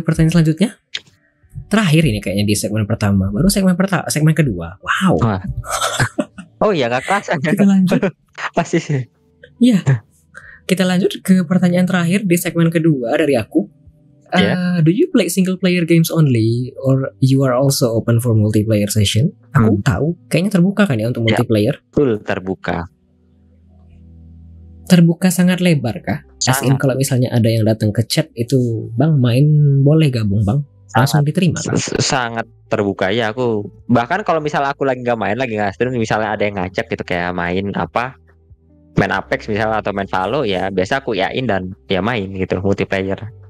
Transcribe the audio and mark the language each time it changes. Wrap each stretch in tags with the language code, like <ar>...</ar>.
<id>Ke pertanyaan selanjutnya. Terakhir ini kayaknya di segmen pertama, baru segmen kedua. Wow. Oh iya, enggak kerasa. Kita lanjut. Pasti sih. Iya. Kita lanjut ke pertanyaan terakhir di segmen kedua dari aku. Yeah.</id> <en>Do you play single player games only or you are also open for multiplayer session?</en> <id>Aku tahu, kayaknya terbuka kan ya untuk multiplayer? Yeah, full terbuka. Terbuka sangat lebar kah? Sangat. As in kalau misalnya ada yang datang ke chat itu, "Bang, main boleh gabung, Bang?" langsung diterima kan? Sangat terbuka ya aku. Bahkan kalau misalnya aku lagi gak main, lagi gak stream, misalnya ada yang ngajak gitu kayak main apa, main Apex misalnya atau main Valo, ya biasa aku yain dan ya main gitu multiplayer.</id>